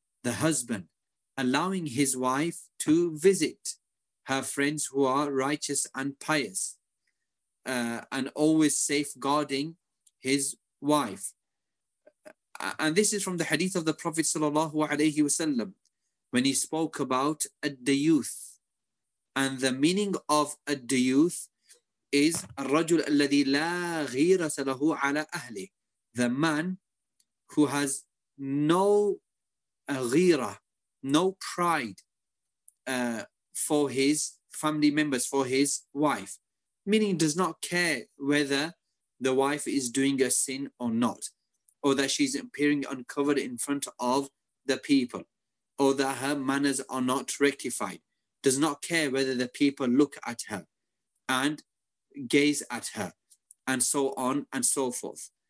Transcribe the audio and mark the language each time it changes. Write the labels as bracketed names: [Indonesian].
[English] The husband allowing his wife to visit her friends who are righteous and pious, and always safeguarding his wife. And this is from the hadith of the Prophet sallallahu alayhi wasallam, when he spoke about ad-dayuth. And the meaning of ad-dayuth is [Arabic] الرجل الذي لا غيرة له على أهله. [English] The man who has no غيرة, no pride for his family members, for his wife. Meaning does not care whether the wife is doing a sin or not, or that she's appearing uncovered in front of the people, or that her manners are not rectified, does not care whether the people look at her and gaze at her, and so on and so forth.